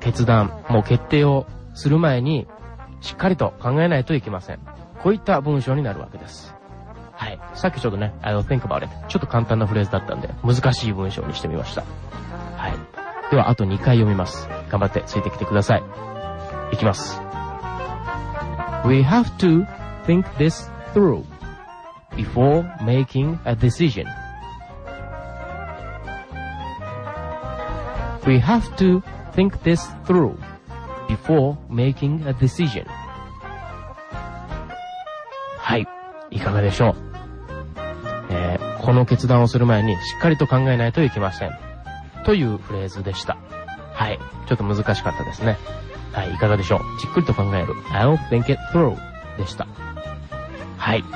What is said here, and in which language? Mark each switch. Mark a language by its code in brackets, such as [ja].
[ja] 決断、もう決定をする前に、しっかりと考えないといけません。こういった文章になるわけです。はい。さっきちょっとね、 [en] I'll think about it。 [ja] ちょっと簡単なフレーズだったんで、難しい文章にしてみました。はい。ではあと2回読みます。頑張ってついてきてください。いきます。 [en] We have to think this through before making a decision. We have to think this through before making a decision. [ja] はい、いかがでしょう、この決断をする前にしっかりと考えないといけません。というフレーズでした。はい。ちょっと難しかったですね。はい。いかがでしょう?じっくりと考える。 [en] I'll think it through [ja] でした。はい。